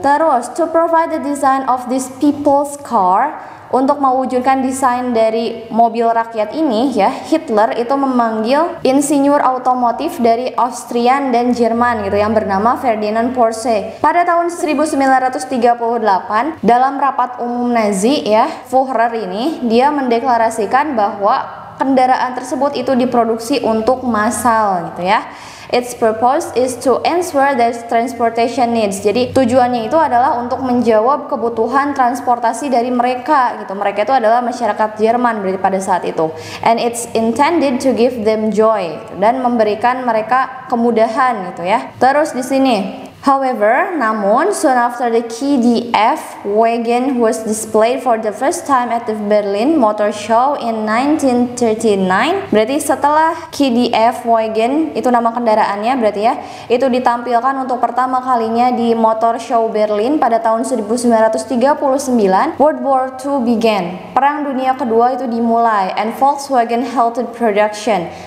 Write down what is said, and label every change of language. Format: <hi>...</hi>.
<id>Terus,</id> <en>to provide the design of this people's car,</en> <id>untuk mewujudkan desain dari mobil rakyat ini ya, Hitler itu memanggil insinyur otomotif dari Austrian dan Jerman gitu yang bernama Ferdinand Porsche. Pada tahun 1938 dalam rapat umum Nazi ya, Führer ini dia mendeklarasikan bahwa kendaraan tersebut itu diproduksi untuk massal gitu ya.</id> <en>Its purpose is to answer their transportation needs.</en> <id>Jadi tujuannya itu adalah untuk menjawab kebutuhan transportasi dari mereka gitu. Mereka itu adalah masyarakat Jerman berarti pada saat itu.</id> <en>And it's intended to give them joy</en> <id>gitu, dan memberikan mereka kemudahan gitu ya. Terus di sini,</id> <en>however,</en> <id>namun</id> <en>soon after the KDF wagon was displayed for the first time at the Berlin Motor Show in 1939.</en> <id>Berarti setelah KDF wagon itu nama kendaraannya berarti ya, itu ditampilkan untuk pertama kalinya di Motor Show Berlin pada tahun 1939,</id> <en>World War II began.</en> <id>Perang Dunia Kedua itu dimulai</id> <en>and Volkswagen halted production.</en>